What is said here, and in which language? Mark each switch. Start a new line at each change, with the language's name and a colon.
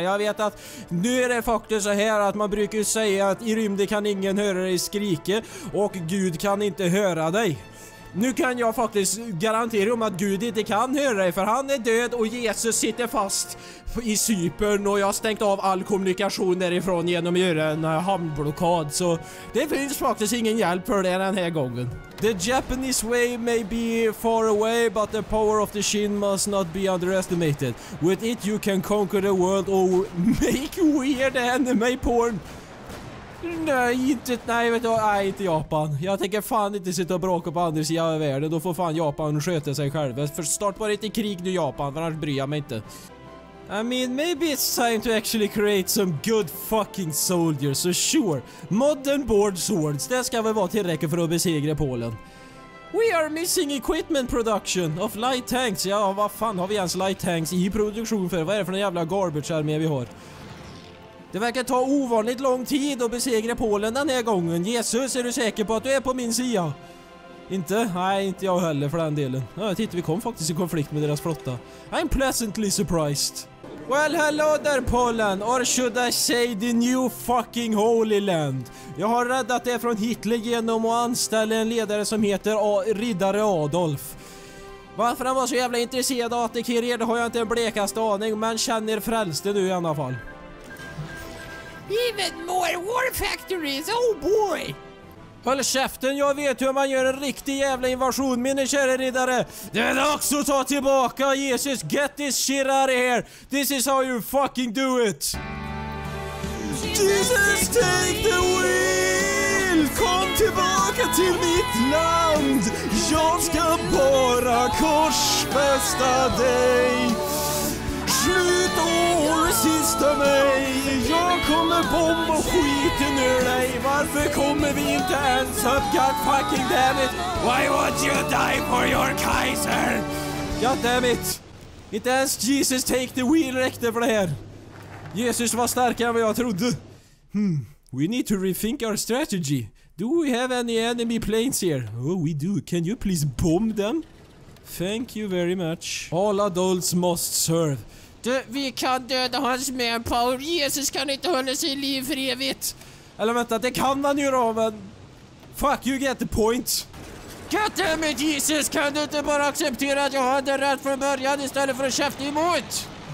Swedish: Jag vet att nu är det faktiskt så här att man brukar säga att i rymden kan ingen höra dig skrika och Gud kan inte höra dig. Nu kan jag faktiskt garantera om att Gud inte kan höra dig, för han är död och Jesus sitter fast i Cypern och jag har stängt av all kommunikation därifrån genom att göra en hamnblockad. Så det finns faktiskt ingen hjälp för det den här gången.
English: The Japanese way may be far away, but the power of the Shin must not be underestimated. With it you can conquer the world or make weird anime porn.
Swedish: Nej, inte Japan. Jag tänker fan inte sitta och bråka på andra sidan av världen. Då får fan Japan sköta sig själv. För start bara inte krig nu, Japan, för annars bryr jag mig inte.
English: I mean, maybe it's time to actually create some good fucking soldiers. So sure, modern board swords,
Swedish: det ska väl vara tillräckligt för att besegra Polen.
English: We are missing equipment production of light tanks.
Swedish: Ja, vad fan har vi ens light tanks i produktion för? Vad är det för en jävla garbage-armé vi har? Det verkar ta ovanligt lång tid att besegra Polen den här gången. Jesus, är du säker på att du är på min sida? Inte? Nej, inte jag heller för den delen. Ja, titta, vi kom faktiskt i konflikt med deras flotta.
English: I'm pleasantly surprised. Well, hello there,
Swedish: Polen.
English: Or should I say the new fucking holy land?
Swedish: Jag har räddat det från Hitler genom att anställa en ledare som heter Riddare Adolf. Varför han var så jävla intresserad av att det kirer, det har jag inte en blekaste aning. Men känner frälste nu i alla fall.
English: Even more war factories, oh boy!
Swedish: Håll käften, jag vet hur man gör en riktig jävla invasion, mina kära riddare! Det är dags att ta tillbaka, Jesus!
English: Get this shit out of here! This is how you fucking do it! Jesus, take the wheel!
Swedish: Kom tillbaka till mitt land! Jag ska bara korsfästa dig! Slut och resista mig. Jag kommer bomba skiten ur dig. Varför kommer vi inte ens upp?
English: God fucking damn it. Why won't you die for your Kaiser? God damn it.
Swedish: Inte ens Jesus
English: take the wheel
Swedish: räckte för det här. Jesus var starkare än vad jag trodde.
English: We need to rethink our strategy. Do we have any enemy planes here? Oh, we do. Can you please bomb them? Thank you very much. All adults must serve.
Swedish: Du, vi kan döda hans manpower. Jesus kan inte hålla sig i liv för evigt. Eller vänta, det kan man ju då, men...
English: Fuck, you get the point. God damn it, Jesus!
Swedish: Kan du inte bara acceptera att jag hade rätt från början istället för att käfta emot?